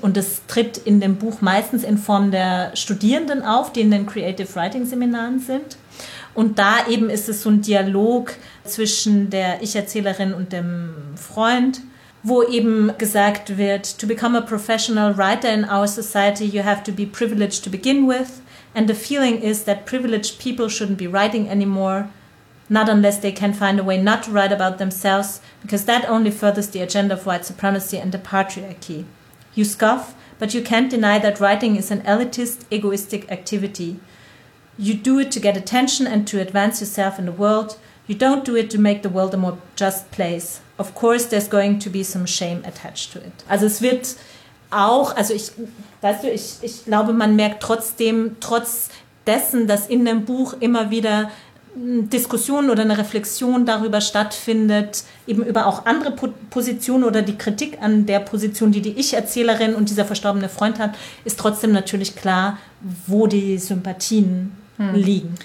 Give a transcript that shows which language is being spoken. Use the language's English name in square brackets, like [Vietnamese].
[German] Und es tritt in dem Buch meistens in Form der Studierenden auf, die in den Creative Writing Seminaren sind. Und da eben ist es so ein Dialog zwischen der Ich-Erzählerin und dem Freund, wo eben gesagt wird, [English] to become a professional writer in our society, you have to be privileged to begin with. And the feeling is that privileged people shouldn't be writing anymore. Not unless they can find a way not to write about themselves, because that only furthers the agenda of white supremacy and the patriarchy. You scoff, but you can't deny that writing is an elitist, egoistic activity. You do it to get attention and to advance yourself in the world. You don't do it to make the world a more just place. Of course, there's going to be some shame attached to it. [German] Also es wird auch, also ich, weißt du, ich glaube, man merkt trotzdem, trotz dessen, dass in dem Buch immer wieder Diskussionen oder eine Reflexion darüber stattfindet, eben über auch andere Positionen oder die Kritik an der Position, die Ich-Erzählerin und dieser verstorbene Freund hat, ist trotzdem natürlich klar, wo die Sympathien liegen.